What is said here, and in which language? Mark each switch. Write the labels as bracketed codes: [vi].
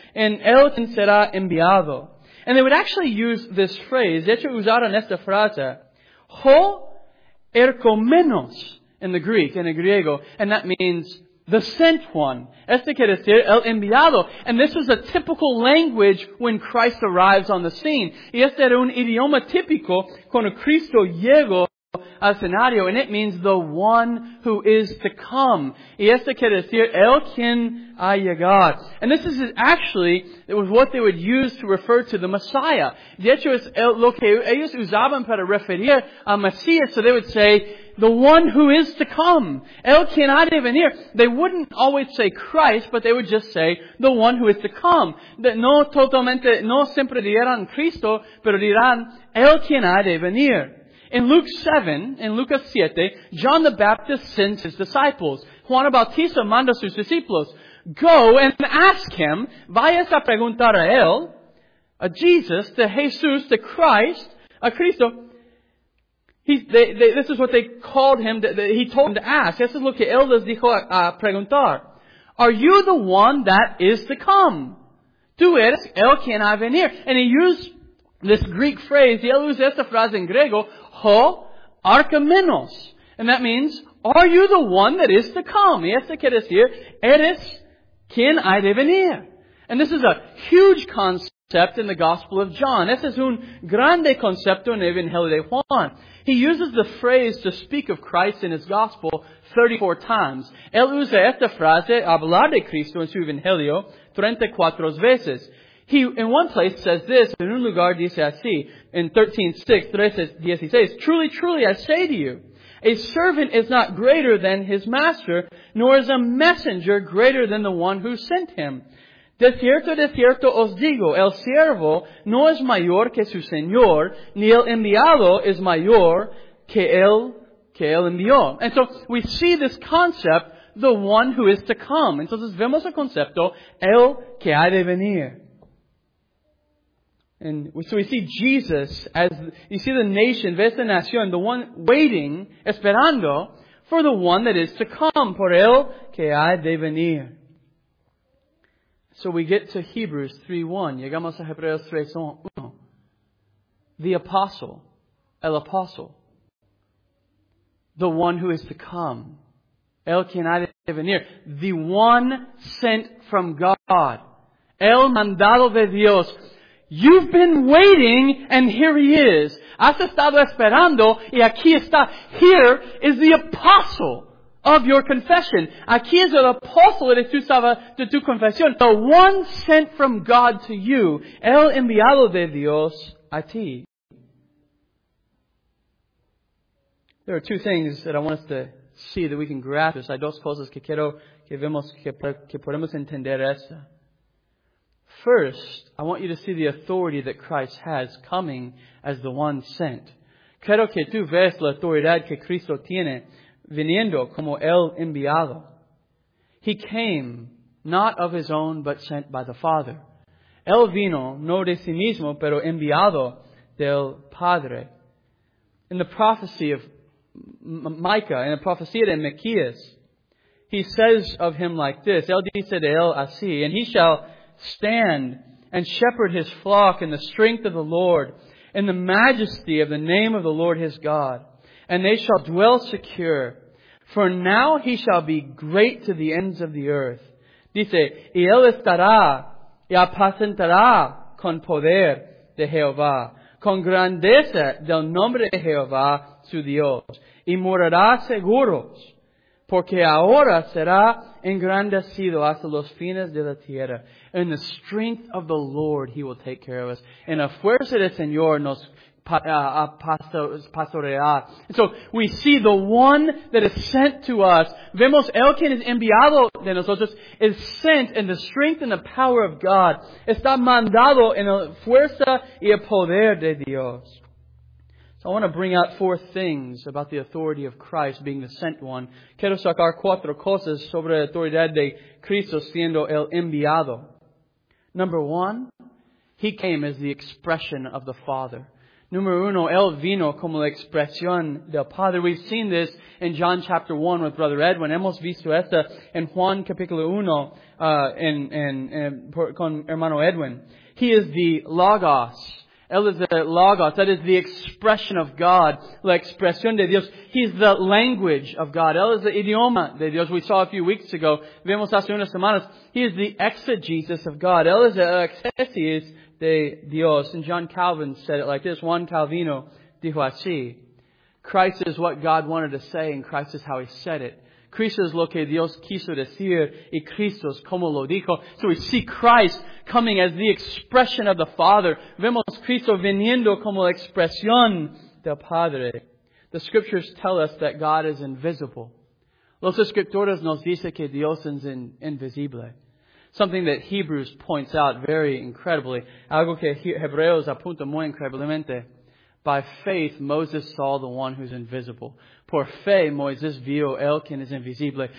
[es] En él quien será enviado. [en] And they would actually use this phrase. [es] De hecho usaron esta frase. [en] Ho ercomenos in the Greek, [es] in the griego. [en] And that means the sent one. [es] Este quiere decir el enviado. [en] And this is a typical language when Christ arrives on the scene. [es] Y este era un idioma típico cuando Cristo llegó al escenario. [en] And it means the one who is to come. [es] Y este quiere decir el quien ha llegado. [en] And this is actually, it was what they would use to refer to the Messiah. [es] De hecho, es lo que ellos usaban para referir a Mesías. [en] So they would say, the one who is to come. [es] El quien ha de venir. [en] They wouldn't always say Christ, but they would just say the one who is to come. [es] No totalmente, no siempre dirán Cristo, pero dirán el quien ha de venir. [en] In Luke 7, [es] in Lucas 7, [en] John the Baptist sends his disciples. [es] Juan Bautista manda sus discípulos. [en] Go and ask him, [es] vayas a preguntar a él, a Jesus, [en] to Jesus, to Christ, [es] a Cristo. [en] This is what they called him, he told them to ask. [es] Eso es lo que él les dijo a preguntar. [en] Are you the one that is to come? [es] Tú eres el que va a venir. [en] And he used this Greek phrase, [es] y él usa esta frase en griego, ho arkamenos. [en] And that means, are you the one that is to come? [es] Y esto quiere decir, eres quien ha de venir. [en] And this is a huge concept in the Gospel of John. [es] Este es un grande concepto en el Evangelio de Juan. [en] He uses the phrase to speak of Christ in his Gospel 34 times. [es] Él usa esta frase, hablar de Cristo en su Evangelio, 34 veces. [en] He, in one place, says this, [es] en un lugar dice así, [en] in 13:6, 13:16, truly, truly, I say to you, a servant is not greater than his master, nor is a messenger greater than the one who sent him. [es] De cierto os digo, el siervo no es mayor que su señor, ni el enviado es mayor que el envió. [en] And so we see this concept, the one who is to come. [es] Entonces vemos el concepto, el que ha de venir. [en] And so we see Jesus as, you see the nation, [es] ves la nación, [en] the one waiting, [es] esperando, [en] for the one that is to come, [es] por el que ha de venir. [en] So we get to Hebrews 3:1. [es] Llegamos a Hebreos 3:1. [en] The apostle, el apostle, the one who is to come, [es] el quien ha de venir, [en] the one sent from God, [es] el mandado de Dios. [en] You've been waiting, and here he is. [es] Has estado esperando, y aquí está. [en] Here is the apostle of your confession. [es] Aquí es el apóstol de tu confesión. [en] The one sent from God to you. [es] El enviado de Dios a ti. [en] There are two things that I want us to see that we can grasp. [es] Hay dos cosas que quiero que vemos que podemos entender esta. [en] First, I want you to see the authority that Christ has coming as the one sent. [es] Quiero que tú veas la autoridad que Cristo tiene viniendo como el enviado. [en] He came not of his own, but sent by the Father. [es] El vino no de sí mismo, pero enviado del Padre. [en] In the prophecy of Micah, in the prophecy of Micah, he says of him like this, [es] el dice de él así, [en] and he shall stand and shepherd his flock in the strength of the Lord, in the majesty of the name of the Lord his God. And they shall dwell secure. For now he shall be great to the ends of the earth. [es] Dice, y él estará y apacentará con poder de Jehová, con grandeza del nombre de Jehová su Dios. Y morará seguros, porque ahora será engrandecido hasta los fines de la tierra. [en] In the strength of the Lord he will take care of us. [es] En la fuerza del Señor nos pastorear. [en] So we see the one that is sent to us. [es] Vemos el quien es enviado de nosotros [en] is sent in the strength and the power of God. [es] Está mandado en la fuerza y el poder de Dios. [en] So I want to bring out four things about the authority of Christ being the sent one. [es] Quiero sacar cuatro cosas sobre la autoridad de Cristo siendo el enviado. [en] Number one, he came as the expression of the Father. [es] Número uno, él vino como la expresión del Padre. [en] We've seen this in John chapter 1 with Brother Edwin. [es] Hemos visto esta en Juan capítulo 1 con hermano Edwin. [en] He is the Logos. [es] Él es el Logos. [en] That is the expression of God. [es] La expresión de Dios. [en] He's the language of God. [es] Él es el idioma de Dios. [en] We saw a few weeks ago. [es] Vemos hace unas semanas. [en] He is the exegesis of God. [es] Él es el exegesis de Dios. [en] And John Calvin said it like this. [es] Juan Calvino dijo así. [en] Christ is what God wanted to say, and Christ is how he said it. [es] Cristo es lo que Dios quiso decir, y Cristo es como lo dijo. [en] So we see Christ coming as the expression of the Father. [es] Vemos Cristo viniendo como la expresión del Padre. [en] The scriptures tell us that God is invisible. [es] Los escritores nos dicen que Dios es invisible. [en] Something that Hebrews points out very incredibly. [es] Algo que Hebreos apunta muy increíblemente. [en] By faith, Moses saw the one who's invisible. [es] Por fe, Moisés vio el quien es invisible.